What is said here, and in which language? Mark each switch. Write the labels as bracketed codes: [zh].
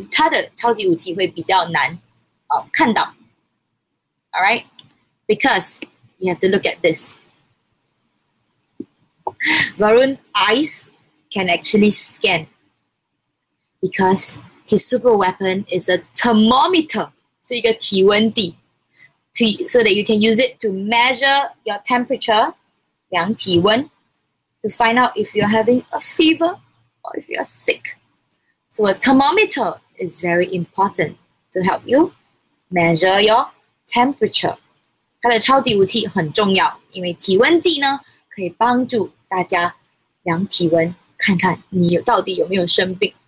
[zh] 可能他的超级武器会比较难看到. [en] All right, because you have to look at this. Varun's eyes can actually scan because his super weapon is a thermometer, [zh] 是一个体温计, [en] so that you can use it to measure your temperature, [zh] 量体温, [en] to find out if you're having a fever or if you're sick. So a thermometer is very important to help you measure your temperature. [zh] 它的超级武器很重要, 因为体温计呢, 可以帮助 大家量体温, 看看你到底有没有生病。